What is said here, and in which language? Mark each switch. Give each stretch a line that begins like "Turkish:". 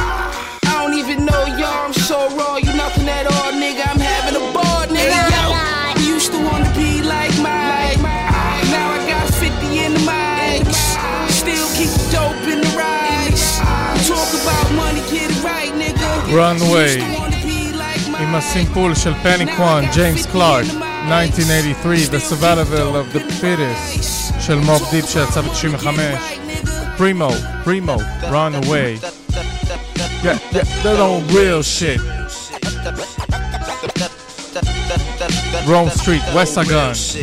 English: I don't even know y'all, I'm so raw. You nothing at all, nigga, I'm having a ball, nigga. Yo, we used to wanna be like Mike, now I got 50 in the mics. Still keep the dope in the rise. Talk about money, get it right, nigga.
Hebrew: Runway עם הסימפול של פניק וואן, ג'יימס קלארק, 1983, The Survival of the Fittest של מוב דיפ שיצא ב-95.
English: פרימו, פרימו, run away. That old real shit. Rome Street, West Saigon.